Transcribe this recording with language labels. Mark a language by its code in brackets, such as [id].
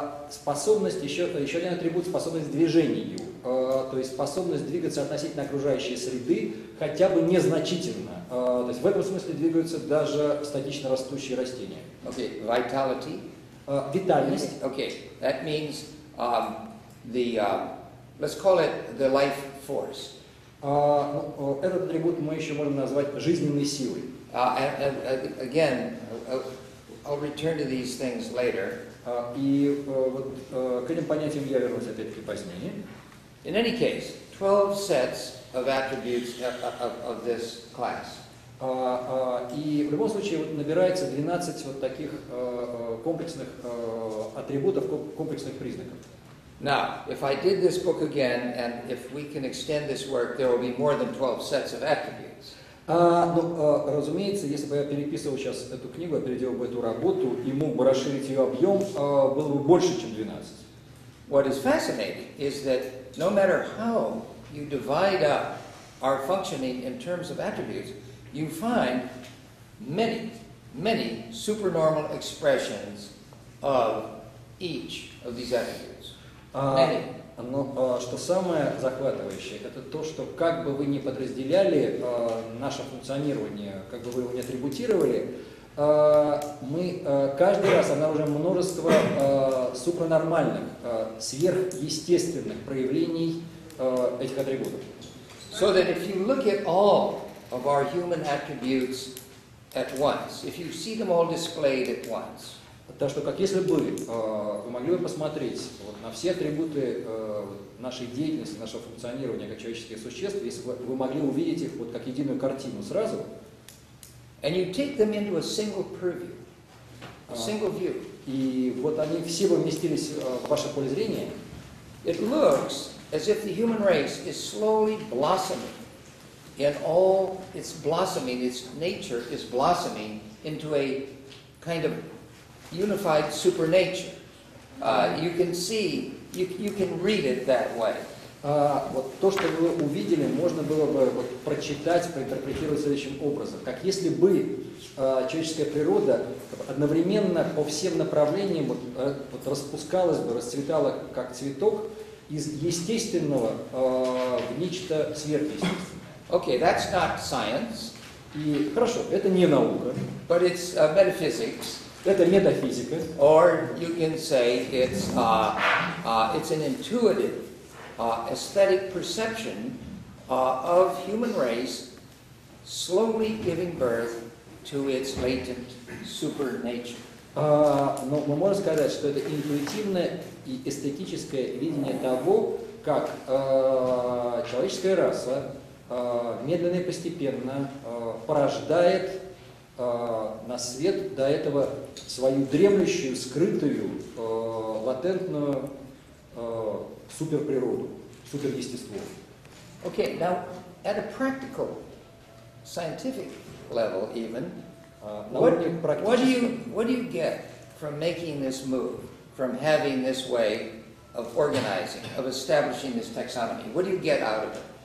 [ru] Способность, еще один атрибут, способность движению. То есть способность двигаться относительно окружающей среды хотя бы незначительно. То есть в этом смысле двигаются даже статично растущие растения. [en] Okay. Vitality. [ru] Витальность. [en] Okay. That means let's call it the life force. [ru] Этот атрибут мы еще можем назвать жизненной силой. [en] Again, I'll return to these things later. [ru] К этим понятиям я вернусь опять-таки позднее. [en] In any case, 12 sets of attributes of this class. [ru] И в любом случае набирается 12 вот таких комплексных атрибутов, комплексных признаков. [en] Now, if I did this book again, and if we can extend this work, there will be more than 12 sets of attributes. [ru] Разумеется, если бы я переписывал сейчас эту книгу, переделал бы эту работу и мог бы расширить ее объем, было бы больше, чем 12. [en] What is fascinating is that no matter how you divide up our functioning in terms of attributes, you find many, many supernormal expressions of each of these attributes. Many. [ru] Но что самое захватывающее, это то, что как бы вы ни подразделяли наше функционирование, как бы вы его ни атрибутировали, мы каждый раз обнаружим множество супранормальных, сверхъестественных проявлений этих атрибутов. [en] So that if you look at all of our human attributes at once, if you see them all displayed at once, [ru] так что, как если бы вы могли бы посмотреть вот, на все атрибуты нашей деятельности, нашего функционирования как человеческих существ, если бы вы могли увидеть их вот, как единую картину сразу, [en] and you take them into a single purview, a single view, [ru] и вот они все бы вместились в ваше поле зрения, [en] it looks as if the human race is slowly blossoming, and all its blossoming, its nature is blossoming into a kind of unified supernature. You can see, you can read it that way. [ru] Вот то, что вы увидели, можно было бы вот, прочитать, проинтерпретировать следующим образом. Как если бы человеческая природа одновременно по всем направлениям вот, вот распускалась бы, расцветала как цветок из естественного в нечто сверхъестественное. [en] Okay, that's not science. [ru] И хорошо, это не наука. [en] But it's metaphysics. [ru] Это метафизика. [en] Or you can say it's an intuitive aesthetic perception of human race slowly giving birth to its latent supernature. [ru] Но мы можем сказать, что это интуитивное и эстетическое видение того, как человеческая раса медленно и постепенно порождает на свет до этого свою дремлющую, скрытую, латентную суперприроду, суперъестество. [en] Okay, now at a practical scientific level even, what do you get from making this move, from having this way of organizing, of establishing this taxonomy? What do you get out of it?